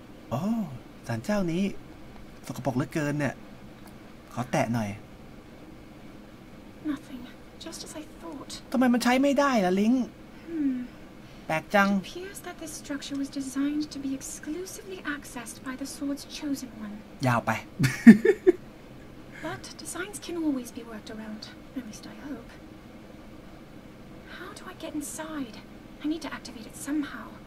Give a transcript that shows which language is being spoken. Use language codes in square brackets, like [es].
[th] โอ้ศาลเจ้านี้สกปรกเหลือเกินเนี่ยขอแตะหน่อย [en] Nothing just as I thought [th] ทำไมมันใช้ไม่ได้ล่ะลิงแปลกจัง [en] It appears that this structure was designed to be exclusively accessed by the sword's chosen one [th] ยาวไป [en] But designs can always be worked around at least I hope How do I get inside I need to activate it somehow